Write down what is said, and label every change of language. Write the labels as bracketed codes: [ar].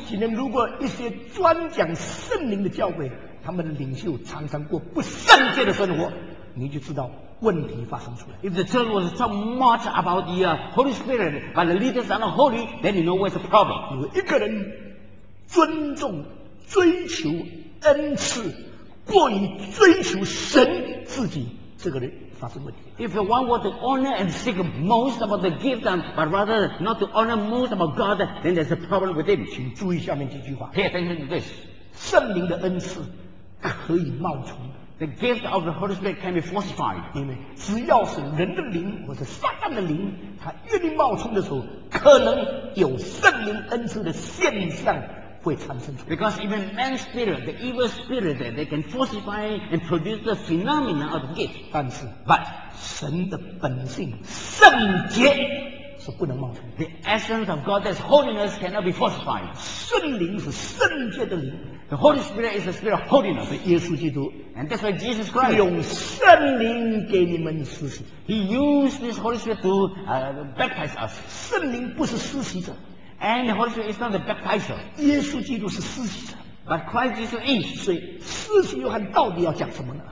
[zh] 今天如果一些专讲圣灵的教会，他们的领袖常常过不圣洁的生活，你就知道问题发生出来。 [en] If the church was so much about the Holy Spirit, but the leaders are not holy, then you know what's the problem. [zh] 如果一个人尊重、追求恩赐，过于追求神自己，这个人。 [en] If the one were to honor and seek most about the gift, but rather not to honor most about God, then there's a problem with him. [zh] 请注意下面几句话。 [en] Pay attention to this. [zh] 圣灵的恩赐可以冒充。 [en] The gift of the Holy Spirit can be falsified. [zh] 因为只要是人的灵或者撒旦的灵，他愿意冒充的时候，可能有圣灵恩赐的现象。 [en] Because even man's spirit, the evil spirit, they can falsify and produce the phenomena of the gift. [zh] 但是 [en] But [zh] 神的本性圣洁是不能冒充。 [en] The essence of God, that's holiness, cannot be falsified. [zh] 圣灵是圣洁的灵。 [en] The Holy Spirit is the spirit of holiness. [zh] 耶稣基督 [en] And that's why Jesus Christ [zh] 用圣灵给你们施洗。 [en] He used this Holy Spirit to baptize us. [zh] 圣灵不是施洗者。 [en] And the Holy Spirit is not the baptizer. [zh] 耶稣基督是施洗者。 [en] But Christ Jesus is. [zh] 所以四使徒约翰到底要讲什么呢？